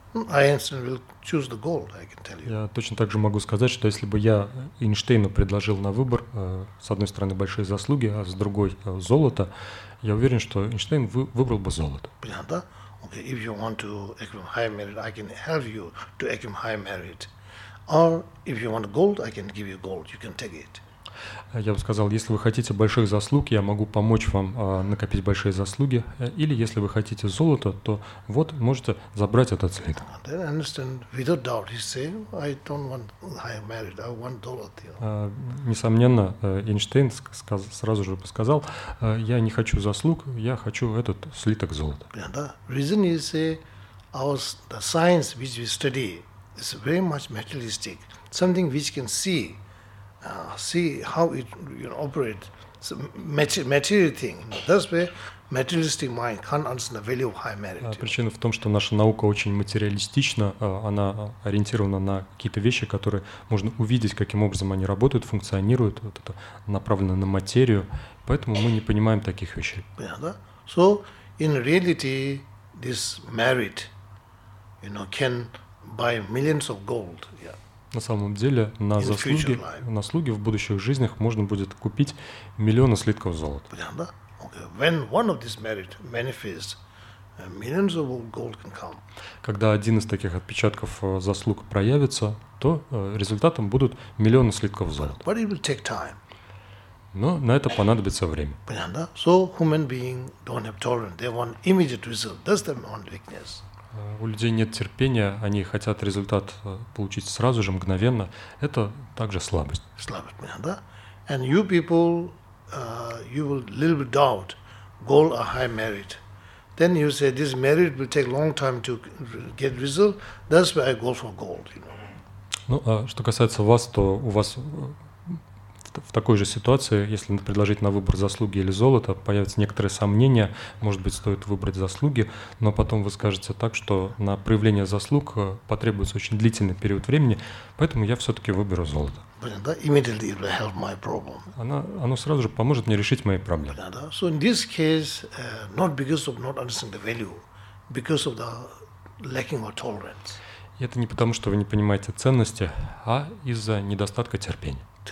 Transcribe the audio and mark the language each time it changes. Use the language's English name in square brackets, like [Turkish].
[English] Einstein will choose the gold, I can tell you. [Russian] Я точно так же могу сказать, что если бы я Эйнштейну предложил на выбор, с одной стороны, большие заслуги, а с другой золото, я уверен, что Эйнштейн выбрал бы золото. Понятно? [English] Okay, if you want to accumulate high merit, I can help you to accumulate high merit. Or if you want gold, I can give you gold, you can take it. [Russian] Я бы сказал, если вы хотите больших заслуг, я могу помочь вам накопить большие заслуги. Или если вы хотите золото, то вот можете забрать этот слиток. [English] Then I understand, without doubt, he's saying, I don't want high merit, I want gold. [Russian] Несомненно, Эйнштейн сразу же бы сказал, я не хочу заслуг, я хочу этот слиток золота. [English] Yeah, the reason is, the science which we study is very much materialistic, something which can see. See how it operates. It's a material thing. That's why materialistic mind can't understand the value of high merit. [Russian] Причина в том, что наша наука очень материалистична. Она ориентирована на какие-то вещи, которые можно увидеть, каким образом они работают, функционируют. Вот это направлено на материю. Поэтому мы не понимаем таких вещей. Понятно? [English] So in reality, this merit, you know, can buy millions of gold. Yeah. [Russian] На самом деле, на заслуги в будущих жизнях можно будет купить миллионы слитков золота. Понятно? Okay. [English] When one of these merit manifests, millions of gold can come. [Russian] Когда один из таких отпечатков заслуг проявится, то результатом будут миллионы слитков золота. [English] But it will take time. [Russian] Но на это понадобится время. Понятно? [English] So human beings don't have tolerance. They want immediate result. That's their own weakness. [Russian] У людей нет терпения, они хотят результат получить сразу же, мгновенно. Это также слабость. Слабость, да? [English] And you people, you will little bit doubt, goal or high merit. Then you say, this merit will take long time to get result, that's why I go for gold, you know. [Russian] Ну, а что касается вас, то у вас в такой же ситуации, если предложить на выбор заслуги или золото, появятся некоторые сомнения, может быть, стоит выбрать заслуги, но потом вы скажете так, что на проявление заслуг потребуется очень длительный период времени, поэтому я все-таки выберу золото. Понятно? [English] Immediately it will help my problem. [Russian] Оно сразу же поможет мне решить мои проблемы. Понятно? [English] So in this case, not because of not understanding the value, because of the lacking of tolerance. [Russian] И это не потому, что вы не понимаете ценности, а из-за недостатка терпения.